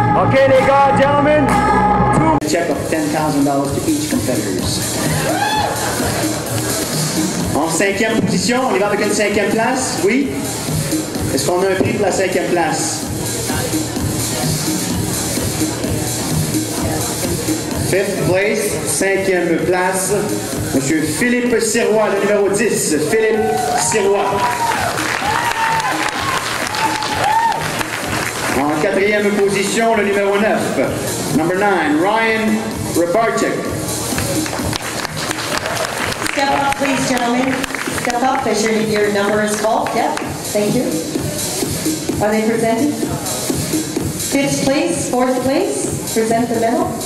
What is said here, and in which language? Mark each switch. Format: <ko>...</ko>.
<en>Okay, they got it, gentlemen. A check of $10,000 to each competitors.</en> <fr>En cinquième position, on y va avec une cinquième place, oui? Est-ce qu'on a un prix pour la cinquième place?</fr> <en>Fifth place,</en> <fr>cinquième place. Monsieur Philippe Sirois, le numéro 10. Philippe Sirois. Quatrième position, le numéro 9.</fr> <en>Number 9, Ryan Rybarczyk. Step up, please, gentlemen. Step up, make sure your number is full. Yep, thank you. Are they presented? Fifth place, fourth place, present the medal.</en>